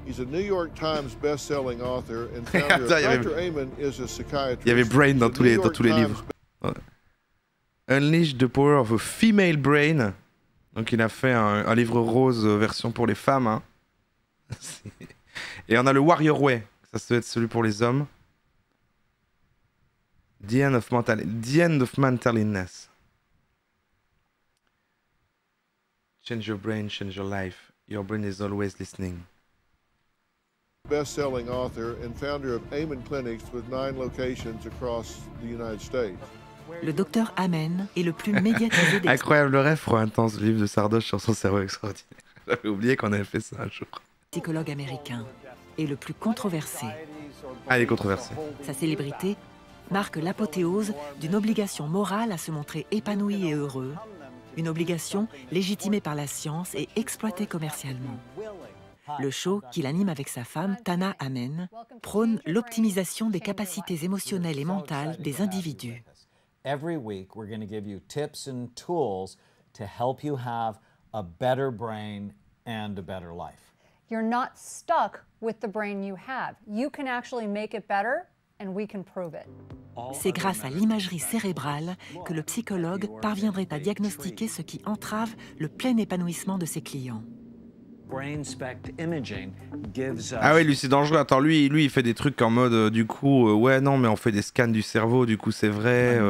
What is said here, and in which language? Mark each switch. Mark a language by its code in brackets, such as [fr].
[en] He's a New York Times best-selling author and founder. Dr. Amen is a psychiatrist. [fr] Il y avait brain dans tous les livres. [en] Unleash the power of a female brain. [fr] Donc il a fait un livre rose version pour les femmes. Hein. Et on a le Warrior Way. Ça doit être celui pour les hommes. [en] The end of mental illness. Change your brain, change your life. Your brain is always listening. Best-selling author and founder of Amen Clinics with 9 locations across the United States. [fr] Le docteur Amen est le plus médiatisé des... Incroyable rêve, intense, livre de Sardoche sur son cerveau extraordinaire. J'avais oublié qu'on avait fait ça un jour. Psychologue américain et le plus controversé. Ah, il est controversé. Sa célébrité marque l'apothéose d'une obligation morale à se montrer épanoui et heureux. Une obligation légitimée par la science et exploitée commercialement. Le show qu'il anime avec sa femme, Tana Amen, prône l'optimisation des capacités émotionnelles et mentales des individus. [en] Every week, we're going to give you tips and tools to help you have a better brain and a better life. You're not stuck with the brain you have. You can actually make it better. And we can prove it. [fr] C'est grâce à l'imagerie cérébrale que le psychologue parviendrait à diagnostiquer ce qui entrave le plein épanouissement de ses clients. Ah oui, lui, c'est dangereux. Attends, lui, il fait des trucs en mode, ouais, non, mais on fait des scans du cerveau, du coup, c'est vrai.